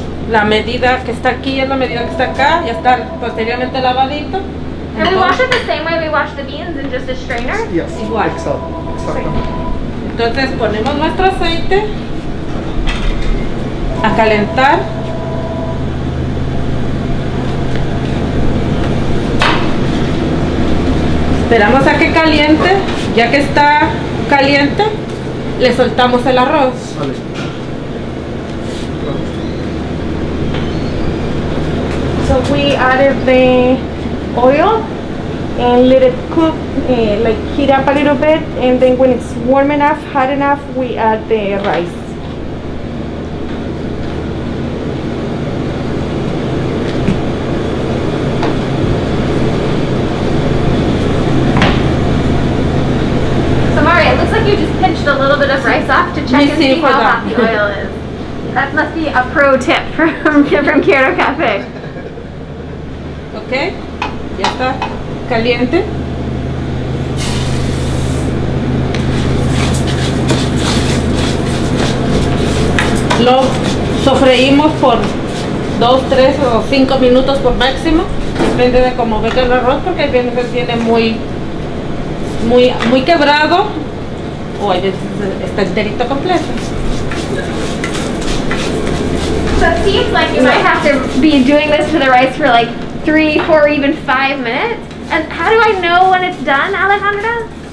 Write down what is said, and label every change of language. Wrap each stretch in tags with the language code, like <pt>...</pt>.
<es>La medida que está aquí es la medida que está acá, ya está posteriormente lavadito.</es> <en>Can we wash it the same way we wash the beans in just a strainer? Yes,</en> <es>igual.</es> <en>Exactly.</en> <es>Entonces ponemos nuestro aceite a calentar. Esperamos a que caliente. Ya que está caliente, le soltamos el arroz.</es> <en>So we added the oil and let it cook, like heat up a little bit, and then when it's warm enough, hot enough, we add the rice. So Mari, it looks like you just pinched a little bit of rice off to check and see how hot the oil is. That must be a pro tip from Quiero Cafe.</en> <es>Okay, ya está caliente. Lo sofreímos por 2, 3 o 5 minutos por máximo. Depende de cómo venga el arroz, porque hay veces que tiene muy quebrado o hay veces está enterito completo.</es> <en>So it seems like you might have to be doing this to the rice for like 3, 4, even 5 minutes. And how do I know when it's done, Alejandra?</en>